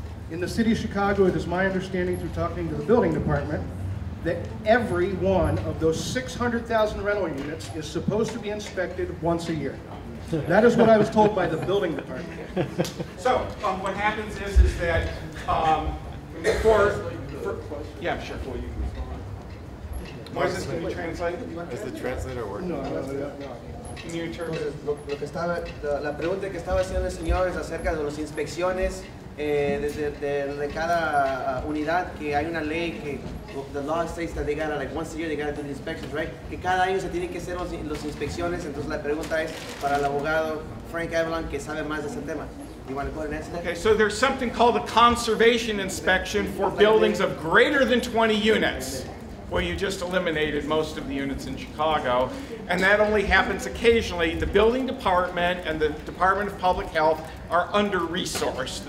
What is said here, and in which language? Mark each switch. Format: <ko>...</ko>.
<en>In the city of Chicago, it is my understanding through talking to the building department that every one of those 600,000 rental units is supposed to be inspected once a year. That is what I was told by the building department. So, what happens is that Moises, can you translate? Is the translator working? Can you interpret?</en> <es>Lo que estaba, la pregunta que estaba haciendo el señor es acerca de las inspecciones. De cada unidad que hay una ley que</es> <en>the law states that they gotta like once a year they gotta do the inspections, right?</en> <es>Que cada año se tiene que hacer los inspecciones. Entonces la pregunta es para el abogado Frank Avalon que sabe más de ese tema.</es> <en>You want to go ahead and answer that? Okay, so there's something called a conservation inspection for buildings of greater than 20 units. Well, you just eliminated most of the units in Chicago. And that only happens occasionally. The building department and the Department of Public Health are under-resourced.</en>